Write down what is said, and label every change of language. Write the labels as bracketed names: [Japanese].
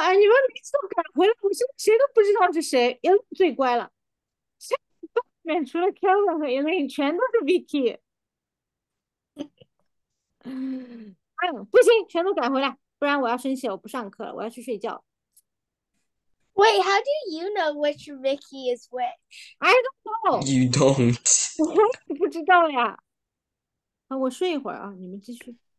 [Chinese] 哎，你们每次都赶回来，我现在谁都不知道是谁。 Elaine 最乖了，这里面除了 Kevin 和 Elaine 全都是 Vicky。哎呀，不行，全都赶回来。不然我要生气了，我不上课了，我要去睡觉。 [English] Wait, how do you know which Vicky is which? I don't know. You don't. [Chinese] 我不知道呀。啊，我睡一会儿啊，你们继续。